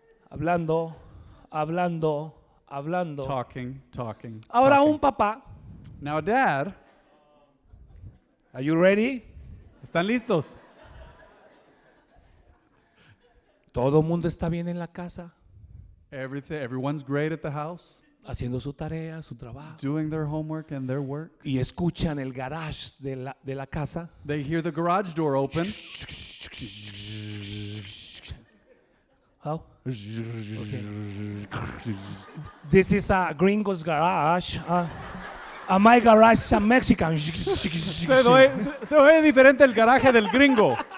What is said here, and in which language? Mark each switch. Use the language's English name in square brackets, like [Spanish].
[Spanish] Hablando, hablando, hablando. [English] Talking, talking. [Spanish] Ahora [English] talking. [Spanish] Un papá. [English] Now dad. Are you ready? [Spanish] ¿Están listos? Todo mundo está bien en la casa. [English] Everything, everyone's great at the house. [Spanish] Haciendo su tarea, su trabajo. [English] Doing their homework and their work. [Spanish] Y escuchan el garage de la casa. [English] They hear the garage door open. Oh. Okay. This is a gringo's garage. My garage is a Mexican. [Spanish] Se oye diferente el garaje del gringo.